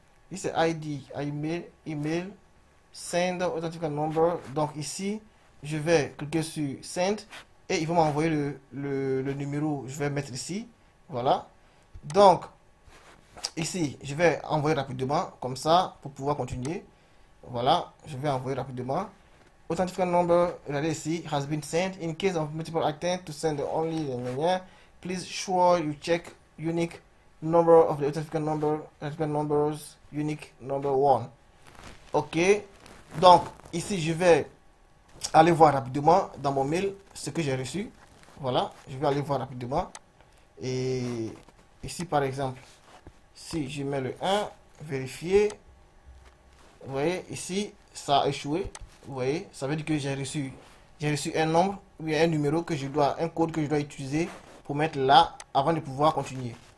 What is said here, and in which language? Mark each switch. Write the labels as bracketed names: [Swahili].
[French] Ici c'est email, [English] send authentication number. [French] Donc ici, je vais cliquer sur send et il va m'envoyer le numéro. Je vais mettre ici. Voilà. Donc ici, je vais envoyer rapidement comme ça pour pouvoir continuer. Voilà, je vais envoyer rapidement. [English] Authentification number, [French] regardez ici, [English] has been sent. In case of multiple attempts to send only, please sure you check unique number of the authentication numbers, unique number one. [French] Ok, donc ici, je vais aller voir rapidement dans mon mail ce que j'ai reçu. Voilà, je vais aller voir rapidement. Et ici, par exemple, si je mets le 1, vérifier. Vous voyez ici, ça a échoué. Vous voyez, ça veut dire que j'ai reçu un nombre ou un numéro que je dois, un code que je dois utiliser pour mettre là avant de pouvoir continuer.